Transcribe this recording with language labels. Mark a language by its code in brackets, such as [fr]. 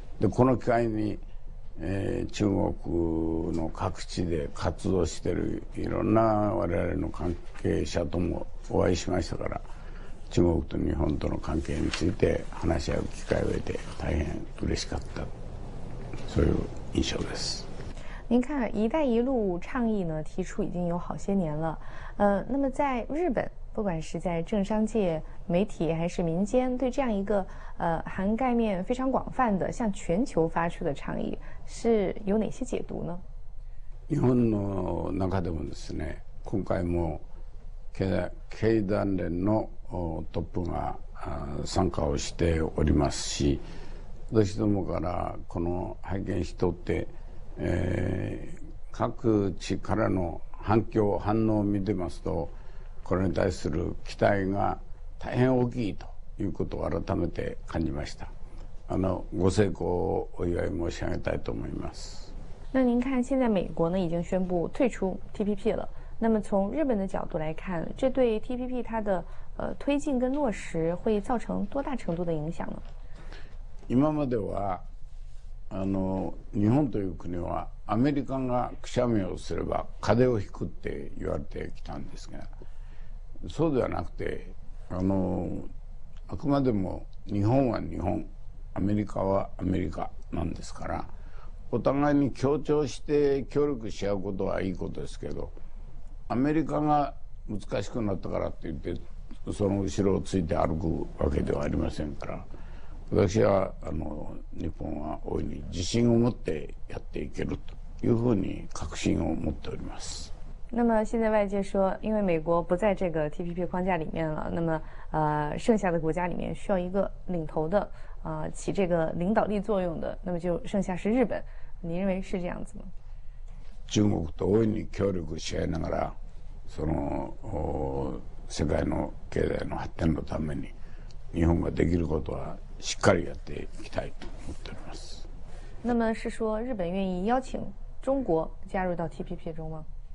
[ja] でこの機会に、中国の各地で活動しているいろんな我々の関係者ともお会いしましたから、中国と日本との関係について話し合う機会を得て大変嬉しかった、そういう印象です。 [zh] 您看一带一路倡议呢提出已经有好些年了，那么在日本不管是在政商界媒体还是民间，对这样一个涵盖面非常广泛的向全球发出的倡议是有哪些解读呢？ [ja] 日本の中でもですね、今回も経団連のトップが参加をしておりますし、私どもからこの拝見しとって、各地からの反響反応を見てますと、これに対する期待が大変大きいということを改めて感じました。ご成功をお祝い申し上げたいと思います。 [zh] 那您看现在美国呢已经宣布退出 TPP 了，那么从日本的角度来看，这对 TPP 它的推进跟落实会造成多大程度的影响呢？ [ja] 今までは日本という国はアメリカがくしゃみをすれば風邪を引くって言われてきたんですが、そうではなくて、あくまでも日本は日本、アメリカはアメリカなんですから、お互いに協調して協力し合うことはいいことですけど、アメリカが難しくなったからって言ってその後ろをついて歩くわけではありませんから、私は日本は大いに自信を持ってやっていけるというふうに確信を持っております。 [zh] 那么现在外界说因为美国不在这个 TPP 框架里面了，那么剩下的国家里面需要一个领头的，起这个领导力作用的，那么就剩下是日本，您认为是这样子吗？ [ja] 中国と大いに協力し合いながら、その世界の経済の発展のために日本ができることはしっかりやっていきたいと思っております。 [zh] 那么是说日本愿意邀请中国加入到 TPP 中吗？